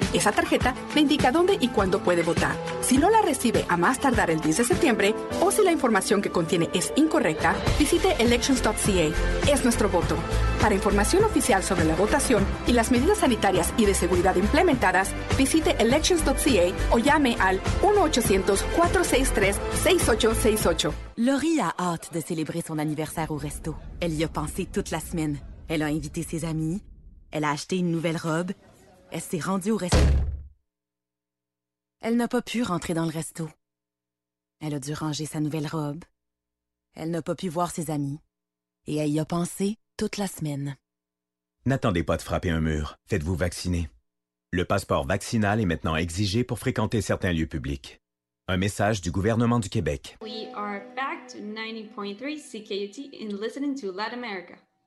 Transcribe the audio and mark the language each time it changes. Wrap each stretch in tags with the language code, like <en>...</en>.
<es>Esa tarjeta le indica dónde y cuándo puede votar. Si no la recibe a más tardar el 10 de septiembre, o si la información que contiene es incorrecta, visite elections.ca. Es nuestro voto. Para información oficial sobre la votación y las medidas sanitarias y de seguridad implementadas, visite elections.ca o llame al 1-800-463-6868.</es> <fr>Laurie a hâte de célébrer son anniversaire au resto. Elle y a pensé toute la semaine. Elle a invité ses amis. Elle a acheté une nouvelle robe. Elle s'est rendue au resto. Elle n'a pas pu rentrer dans le resto. Elle a dû ranger sa nouvelle robe. Elle n'a pas pu voir ses amis. Et elle y a pensé toute la semaine. N'attendez pas de frapper un mur. Faites-vous vacciner. Le passeport vaccinal est maintenant exigé pour fréquenter certains lieux publics. Un message du gouvernement du Québec.</fr> <en>We are back to 90.3 CKUT in listening to Latin America.</en>